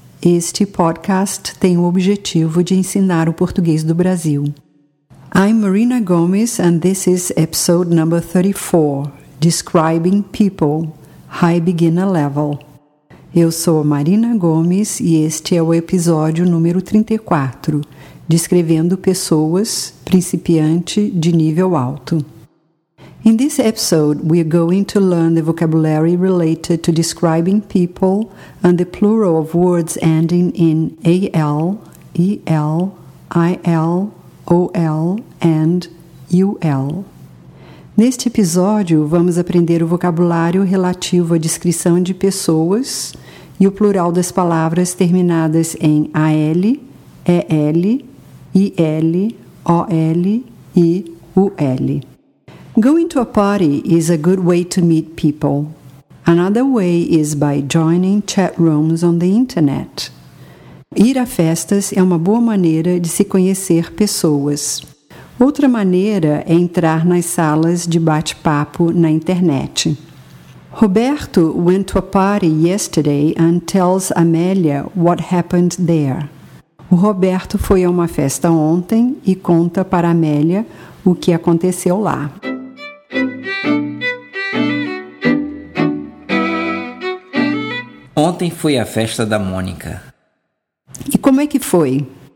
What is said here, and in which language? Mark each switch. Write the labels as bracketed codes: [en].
[pt] Este podcast tem o objetivo de ensinar o português do Brasil. [en] I'm Marina Gomes and this is episode number 34, Describing People, High Beginner Level. [pt] Eu sou a Marina Gomes e este é o episódio número 34, Descrevendo Pessoas, Principiante de Nível Alto. [en] In this episode, we are going to learn the vocabulary related to describing people and the plural of words ending in AL, EL, IL, OL and UL. [pt] Neste episódio, vamos aprender o vocabulário relativo à descrição de pessoas e o plural das palavras terminadas em AL, EL, IL, OL e UL. [en] Going to a party is a good way to meet people. Another way is by joining chat rooms on the internet. [pt] Ir a festas é uma boa maneira de se conhecer pessoas. Outra maneira é entrar nas salas de bate-papo na internet. [en] Roberto went to a party yesterday and tells Amélia what happened there. [pt] O Roberto foi a uma festa ontem e conta para Amélia o que aconteceu lá. Ontem foi a festa da Mônica. E como é que foi?